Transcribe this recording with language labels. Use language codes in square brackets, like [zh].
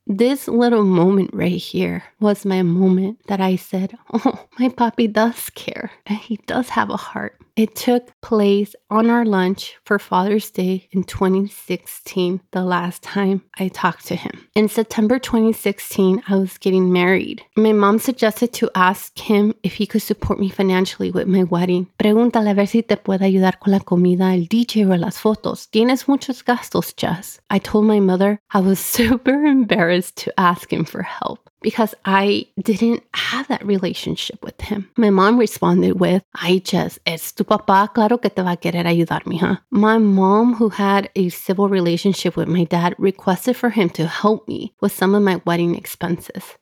[en] This little moment right here was my moment that I said, "Oh, my papi does care and he does have a heart." It took place on our lunch for Father's Day in 2016, the last time I talked to him. In September 2016, I was getting married. My mom suggested to ask him if he could support me financially with my wedding. [es] Pregúntale a ver si te puede ayudar con la comida, el DJ o las fotos. Tienes muchos gastos, Jess. [en] I told my mother I was super embarrassed to ask him for help, because I didn't have that relationship with him. My mom responded with, [es] "Ay, Jess, es tu papá, claro que te va a querer ayudar, mija." [en] My mom, who had a civil relationship with my dad, requested for him to help me with some of my wedding expenses.